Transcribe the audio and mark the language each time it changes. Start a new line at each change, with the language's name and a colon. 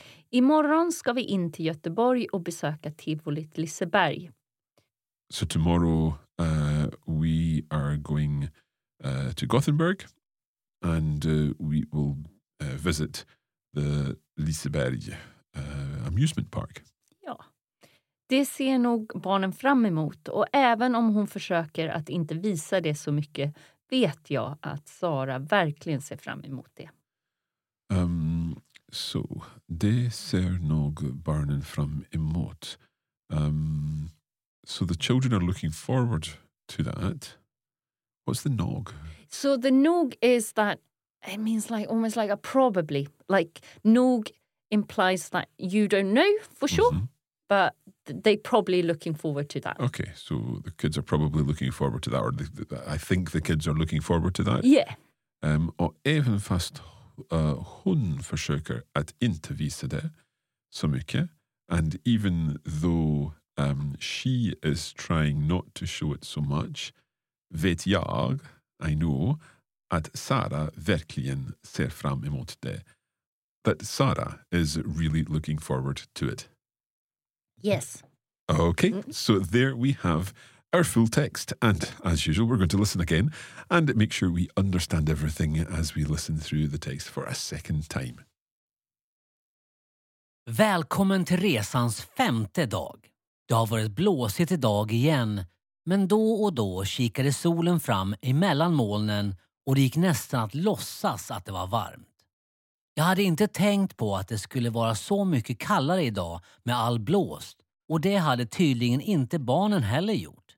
Swedish: Imorgon ska vi in till Göteborg och besöka Tivolit Liseberg.
English: So tomorrow we are going to Gothenburg and we will visit the Liseberg amusement park.
Swedish: Ja, det ser nog barnen fram emot, och även om hon försöker att inte visa det så mycket vet jag att Sara verkligen ser fram emot det. Så det ser nog barnen fram emot.
English: So the children are looking forward to that. What's the nog? So the nog is that, it means like almost like a probably. Like nog implies that you don't know for sure, but they're probably looking forward to that. Okay, so the kids are probably looking forward to that, or I think the kids are looking forward to that. Yeah.
Swedish: Och även fast hon försöker att inte visa det så mycket,
English: and even though she is trying not to show it so much,
Swedish: vet jag,
English: I know,
Swedish: att Sara verkligen ser fram emot det.
English: That Sara is really looking forward to it. Yes. Okay, so there we have our full text. And as usual, we're going to listen again and make sure we understand everything as we listen through the text for a second time.
Swedish: Välkommen till resans femte dag. Det har varit blåsigt idag igen, men då och då kikade solen fram emellan molnen och det gick nästan att låtsas att det var varmt. Jag hade inte tänkt på att det skulle vara så mycket kallare idag med all blåst, och det hade tydligen inte barnen heller gjort.